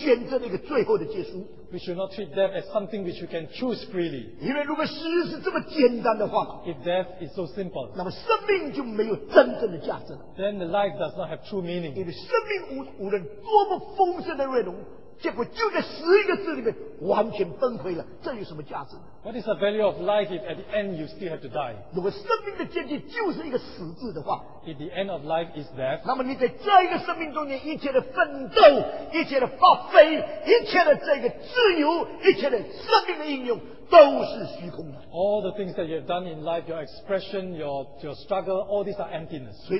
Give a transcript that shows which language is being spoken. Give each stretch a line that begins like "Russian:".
English: We should not treat death as something which we can choose freely. If death is so simple, then the life does not have true meaning. If
Chinese: 生命无论多么丰盛的内容, 结果就在死一个字里面完全崩溃了，这有什么价值呢？
English: What is the value of life if at the end you still have to die?
Chinese: 如果生命的结局就是一个死字的话，
English: if the end of life is death,
Chinese: 那么你在这一个生命中间一切的奋斗，一切的发挥，一切的这个自由，一切的生命的应用。都是虚空的,
English: all the things that you have done in life, your expression, your struggle, all these are emptiness.